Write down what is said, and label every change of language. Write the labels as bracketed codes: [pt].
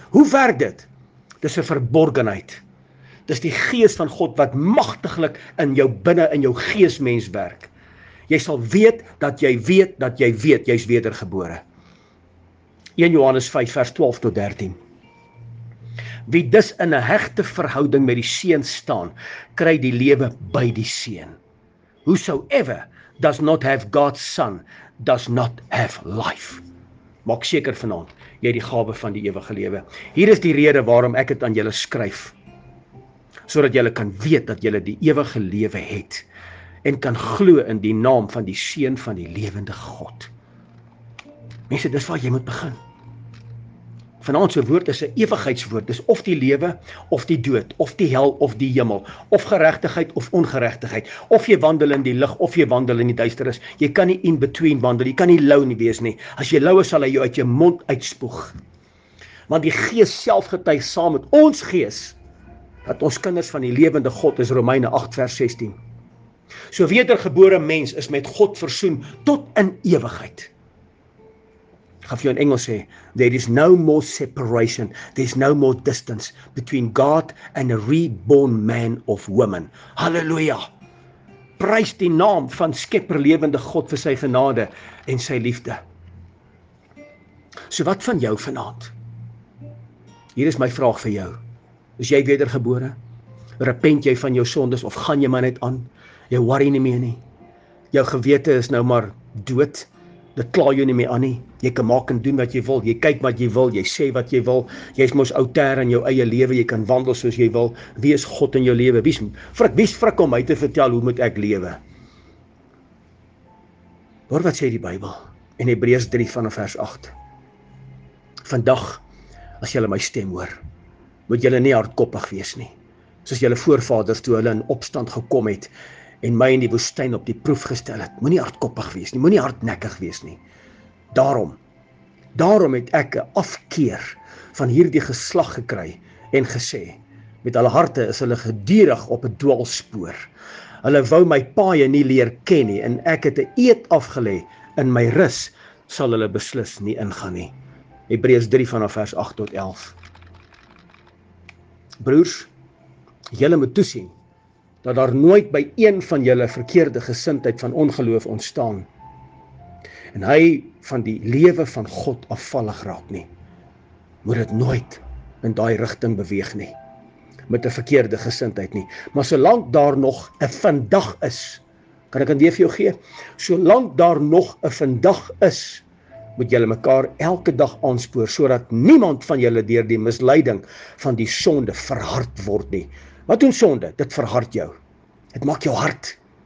[af] Hoe werk dit? Dis 'n verborgenheid. Dis die gees van God wat magtiglik in jou binne in jou geesmens werk. Jy sal weet dat jy weet dat jy weet jy's wedergebore. 1 Johannes 5 vers 12 tot 13. Wie dus in 'n hegte verhouding met die Seun staan, kry die lewe by die Seun. [en] Whosoever does not have God's Son, does not have life. [af] Maak seker vanaand, jy het die gawe van die ewige lewe. Hier is die rede waarom ek het aan julle skryf. Sodat julle kan weet dat julle die ewige lewe het. En kan glo in die naam van die Seun van die lewende God. Mense, dis waar jy moet begin. Vanaand se woord is 'n ewigheidswoord. Dis of die lewe of die dood, of die hel of die hemel, of geregtigheid of ongeregtigheid, of jy wandel in die lig of jy wandel in die duisternis. Jy kan nie [en] in between [af] wandel, jy kan nie lou nie wees nie. As jy lou is, sal hy jou uit jou mond uitspoeg. Want die Gees self getuig saam met ons gees dat ons kinders van die lewende God is, Romeine 8 vers 16. So wedergebore mens is met God versoen tot in ewigheid. Ek gaan vir jou in Engels sê, [en] there is no more separation, there is no more distance between God and a reborn man of woman. [af] Halleluja! Prys die naam van Skepper lewende God vir sy genade en sy liefde. So wat van jou vanaand? Hier is my vraag vir jou. Is jy wedergebore? Repent jy van jou sondes of gaan jy maar net aan? Jy worry nie meer nie. Jou gewete is nou maar dood. Dit kla jou nie meer aan nie. Jy kan maak en doen wat jy wil. Jy kyk wat jy wil. Jy sê wat jy wil. Jy is mos outer in jou eie lewe. Jy kan wandel soos jy wil. Wie is God in jou lewe? Wie is frik om my te vertel hoe moet ek lewe? Hoor wat sê die Bybel in Hebreërs 3 vanaf vers 8. Vandag as jy my stem hoor, moet jy nie hardkoppig wees nie. Soos jou voorvaders toe hulle in opstand gekom het en my in die woestyn op die proef gestel het. Moenie hardkoppig wees nie, moenie hardnekkig wees nie. Daarom het ek 'n afkeer van hierdie geslag gekry en gesê, met hulle harte is hulle gedurig op 'n dwaalspoor. Hulle wou my paaie nie leer ken nie en ek het 'n eed afgelê, in my rus sal hulle beslis nie ingaan nie. Hebreërs 3 vanaf vers 8 tot 11. Broers, julle moet toesien dat daar nooit by een van julle verkeerde gesindheid van ongeloof ontstaan en hy van die lewe van God afvallig raak nie. Moet dit nooit in daai rigting beweeg nie, met 'n verkeerde gesindheid nie. Maar solank daar nog 'n vandag is, kan ek aan weer vir jou gee, solank daar nog 'n vandag is, moet julle mekaar elke dag aanspoor, sodat niemand van julle deur die misleiding van die sonde verhard word nie. Wat doen sonde? Dit verhard jou. Dit maak jou hard.